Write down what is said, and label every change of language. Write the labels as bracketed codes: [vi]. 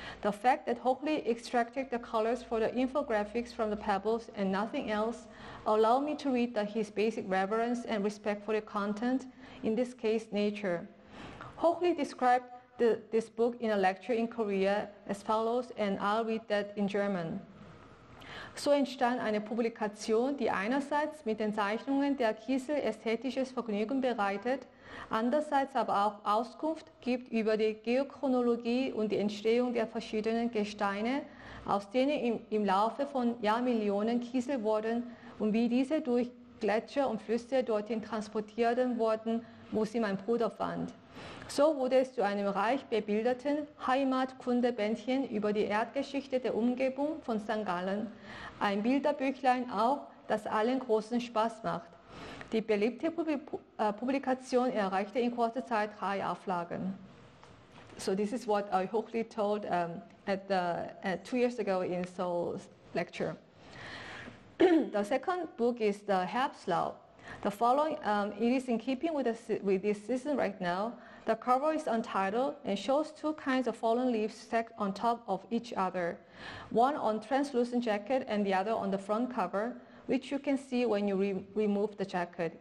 [en] The fact that Hochuli extracted the colors for the infographics from the pebbles and nothing else allowed me to read that his basic reverence and respect for the content, in this case, nature. Hochuli described this book in a lecture in Korea as follows, and I'll read that in German. [de] So entstand eine Publikation, die einerseits mit den Zeichnungen der Kiesel ästhetisches Vergnügen bereitet, andererseits aber auch Auskunft gibt über die Geochronologie und die Entstehung der verschiedenen Gesteine, aus denen im Laufe von Jahrmillionen Kiesel wurden und wie diese durch Gletscher und Flüsse dorthin transportiert wurden, wo sie mein Bruder fand. So wurde es zu einem reich bebilderten Heimatkundebändchen über die Erdgeschichte der Umgebung von St. Gallen. Ein Bilderbüchlein auch, das allen großen Spaß macht. Die beliebte Publikation erreichte in kurzer Zeit 3 Auflagen. [en] So this is what I Hochuli told 2 years ago in Seoul's lecture. The second book is the Herbstlaub. The following, it is in keeping with this season right now. The cover is untitled and shows 2 kinds of fallen leaves stacked on top of each other, one on translucent jacket and the other on the front cover, which you can see when you remove the jacket.